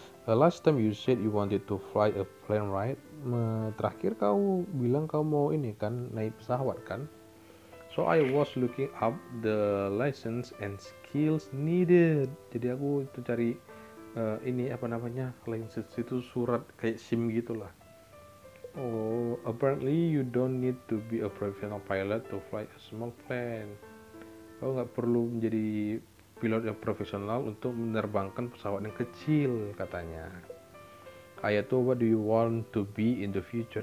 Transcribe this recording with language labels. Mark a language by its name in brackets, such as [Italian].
[English] Last time you said you wanted to fly a plane, right? [Indonesian] Terakhir kau bilang kau mau ini kan, naik pesawat kan? [English] So I was looking up the license and skills needed. [Indonesian] Jadi aku itu cari ini apa namanya, license itu surat kayak SIM gitulah. [English] Oh, apparently you don't need to be a professional pilot to fly a small plane. [Indonesian] Kau nggak perlu menjadi pilot yang profesional untuk menerbangkan pesawat yang kecil, katanya. [English] Ayato, what do you want to be in the future?